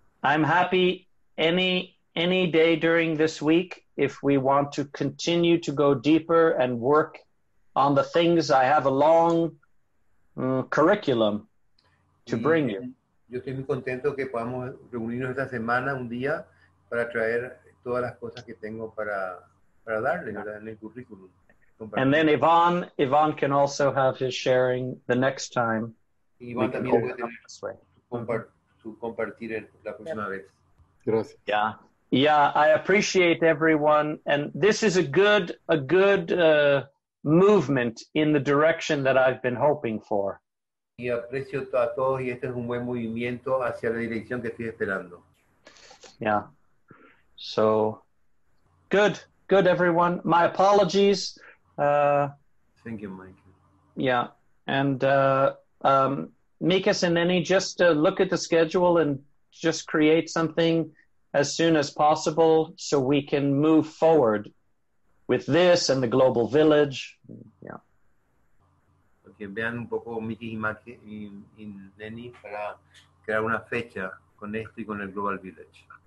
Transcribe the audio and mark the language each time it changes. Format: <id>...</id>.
<en>I'm happy any day during this week if we want to continue to go deeper and work on the things. I have a long curriculum to bring you.</en> <es>Yo estoy muy contento que podamos reunirnos esta semana, un día, para traer todas las cosas que tengo para darle, ¿verdad? En el currículum.</es> <en>And then Yvonne can also have his sharing the next time.</en> <es>Yvonne también puede compartir la próxima vez. Gracias.</es> <en>Yeah. Yeah, I appreciate everyone. And this is a good movement in the direction that I've been hoping for.</en> <es>Y aprecio a todos y este es un buen movimiento hacia la dirección que estoy esperando.</es> <en>Yeah. So, good, everyone. My apologies. Thank you, Mike. Yeah. And Mikas and Neni, just look at the schedule and just create something as soon as possible so we can move forward with this and the Global Village. Yeah.</en> <es>Que vean un poco Mickey y Neni para crear una fecha con esto y con el Global Village.</es>